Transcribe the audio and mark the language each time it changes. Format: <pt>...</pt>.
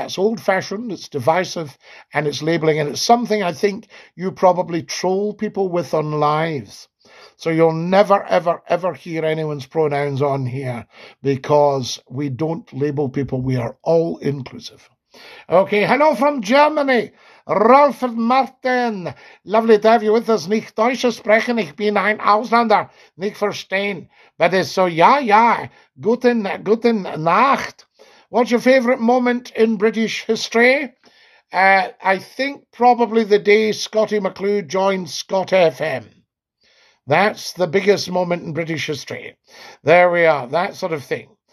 <en>That's old-fashioned, it's divisive, and it's labelling. And it's something I think you probably troll people with on lives. So you'll never, ever, ever hear anyone's pronouns on here because we don't label people. We are all inclusive. Okay, hello from Germany. Rolf and Martin, lovely to have you with us.</en> <de>Nicht Deutsche sprechen, ich bin ein Ausländer, nicht verstehen.</de> <en>But it's so,</en> <de>ja, guten Nacht.</de> <en>What's your favourite moment in British history? I think probably the day Scotty McClue joined Scott FM. That's the biggest moment in British history. There we are, that sort of thing.</en>